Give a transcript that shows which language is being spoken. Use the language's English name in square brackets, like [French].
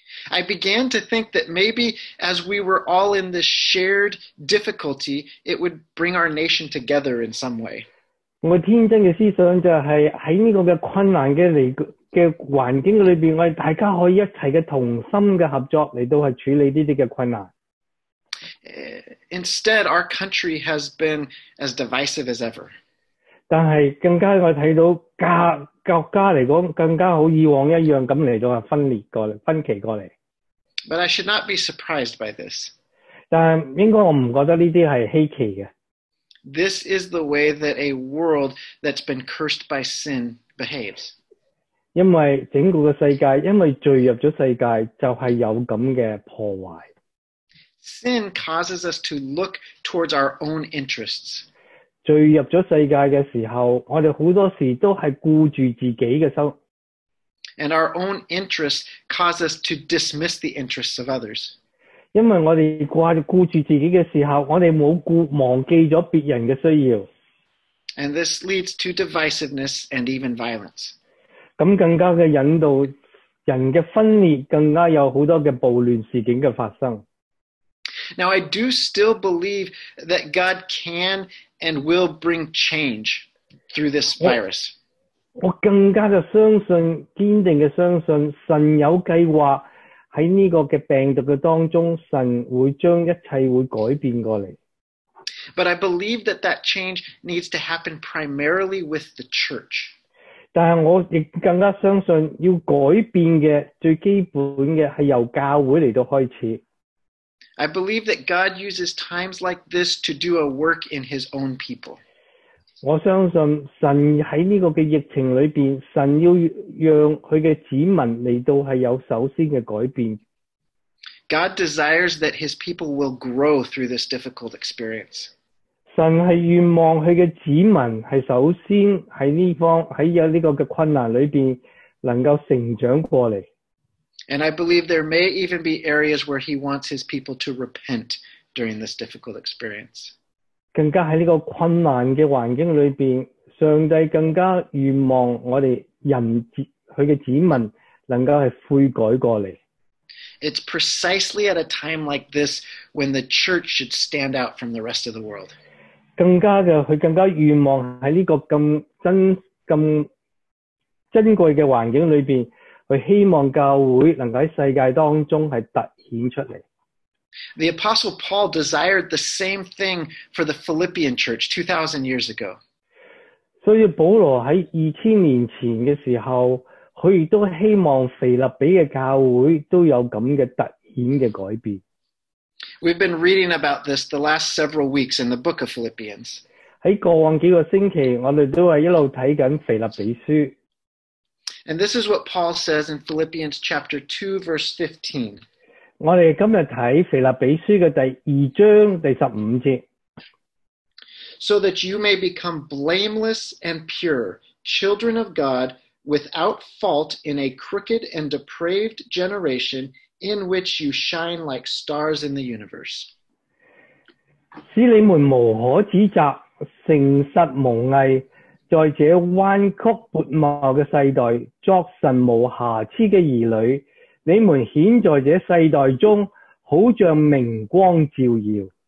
[English] I began to think that maybe as we were all in this shared difficulty, it would bring our nation together in some way. [Chinese] 我天真的思想就是在这个困难的环境里面，我们大家可以一起的同心的合作来到处理这些困难。 [English] Instead, our country has been as divisive as ever. [Chinese] 但是更加我看到国家来说更加好以往一样来到分裂过来分歧过来。 [English] But I should not be surprised by this. [Chinese] 但应该我不觉得这些是稀奇的。 [English] This is the way that a world that's been cursed by sin behaves. [Chinese] 因为整个世界因为罪入了世界就是有这样的破坏。 [English] Sin causes us to look towards our own interests. [Chinese] 罪入了世界的时候，我们很多时候都是顾住自己的心。 [English] And our own interests cause us to dismiss the interests of others. [Chinese] 因为我们顾住自己的时候，我们没有忘记了别人的需要。 [English] And this leads to divisiveness and even violence. [Chinese] 那更加的引导人的分裂，更加有很多的暴乱事件的发生。 [English] Now I do still believe that God can and will bring change through this virus. [Chinese] 我更加的相信，坚定的相信，神有计划在这个病毒的当中，神会将一切会改变过来。 [English] But I believe that that change needs to happen primarily with the church. [Chinese] 但我亦更加相信要改变的最基本的是由教会来到开始。 [English] I believe that God uses times like this to do a work in his own people. [Chinese] 我相信神在这个疫情里面，神要让他的子民来到是有首先的改变。 [English] God desires that his people will grow through this difficult experience. [Chinese] 神是愿望他的子民是首先在这方，在这个困难里面能够成长过来。 [English] And I believe there may even be areas where he wants his people to repent during this difficult experience. [Chinese] 更加在这个困难的环境里面，上帝更加愿望我们人，他的子民能够是悔改过来。 [English] It's precisely at a time like this when the church should stand out from the rest of the world. [Chinese] 更加的，他更加愿望在这个这么珍贵的环境里面，他希望教会能够在世界当中是突显出来。 [English] The Apostle Paul desired the same thing for the Philippian church 2,000 years ago. [Chinese] 所以保罗在2000年前的时候，他也都希望腓立比的教会都有这样的突显的改变。 [English] We've been reading about this the last several weeks in the book of Philippians. [Chinese] 在过往几个星期，我们都是一路睇紧腓立比书。 [English] And this is what Paul says in Philippians chapter 2, verse 15. [Chinese] 我们今天看腓立比书的第二章第十五节。 [English] So that you may become blameless and pure, children of God, without fault in a crooked and depraved generation in which you shine like stars in the universe. [Chinese] 使你们无可指责，诚实蒙毅，在这弯曲拨谋的世代作神无瑕疵的儿女，你们显在这世代中好像明光照耀。